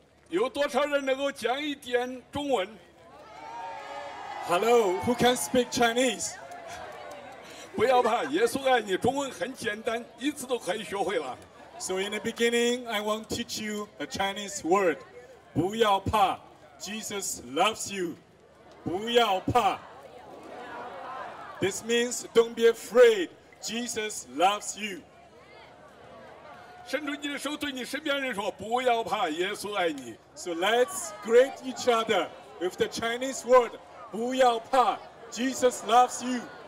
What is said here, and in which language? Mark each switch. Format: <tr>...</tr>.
<zh>有多少人能够讲一点中文?</zh> <en>Hello, who can speak Chinese?</en> <zh>不要怕，耶稣爱你，中文很简单，一次都可以学会了。</zh> <en>So in the beginning, I won't teach you a Chinese word.</en> <zh>不要怕,</zh> <en>Jesus loves you.</en> <zh>不要怕.</zh> <en>This means don't be afraid, Jesus loves you.</en> <zh>伸出你的手对你身边人说不要怕耶稣爱你</zh> <en>So let's greet each other with the Chinese word</en> <zh>不要怕</zh> <en>Jesus loves you</en>